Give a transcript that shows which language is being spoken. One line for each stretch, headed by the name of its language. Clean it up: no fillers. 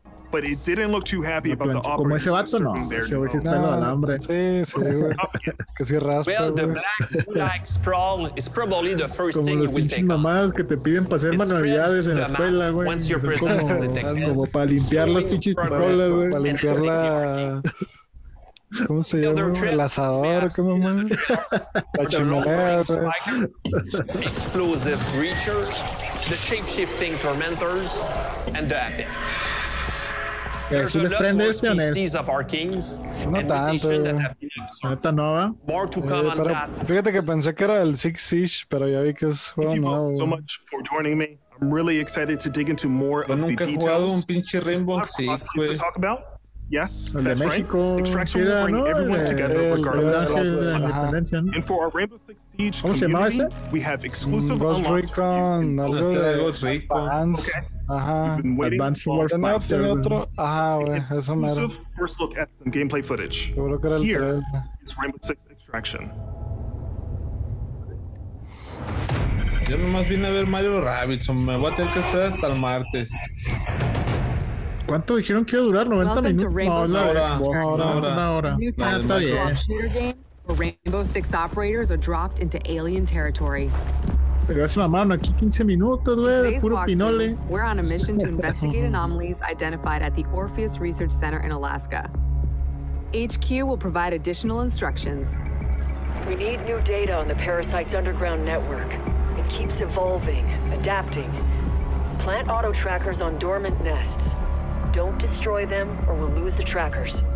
English: But it didn't look too happy about the operators.
Spanish: Como ese vato, no. Ese güey sí está en el alambre. Sí, sí, güey. Que sí raspa,
English: well, the black sprawl is probably the first thing you will take off.
Spanish: Como los pinches mamás que te piden para hacer manualidades en la escuela, güey. Como para limpiar las pinches pistolas, güey. Para limpiar la... ¿Cómo se llama? El asador, ¿cómo se llama? La chimenea, güey.
English: Explosive breachers, the shape-shifting tormentors, and the epics.
Spanish: ¿Sí les prende este o no? No tanto. ¿Esta nueva? Fíjate que pensé que era el Six Siege, pero ya vi que es juego nuevo.
English: I'm really excited to dig into more of the details.
Spanish: Nunca he jugado un pinche Rainbow Six, güey.
English: Yes,
Spanish: el de México. ¿Cómo se llamaba ese? Ghost Recon, algo de Ghost Recon. Ajá. Advanced Warfighter. Tiene otro. Ajá, güey. Eso me da.
English: First look at some gameplay footage.
Spanish: Yo creo que era el 3.
English: Here is Rainbow Six Extraction.
Spanish: Yo nomás vine a ver Mario Rabbids. Me voy a tener que esperar hasta el martes. ¿Cuánto dijeron que iba a durar? ¿90 minutos? No, una hora. Está bien.
English: Rainbow Six operators are dropped into alien territory.
Spanish: Pero es la mano aquí 15 minutos, güey, puro pinole.
English: We're on a mission to investigate anomalies identified at the Orpheus Research Center in Alaska. HQ will provide additional instructions. We need new data on the parasite's underground network. It keeps evolving, adapting. Plant auto trackers on dormant nests. Don't destroy them or we'll lose the trackers.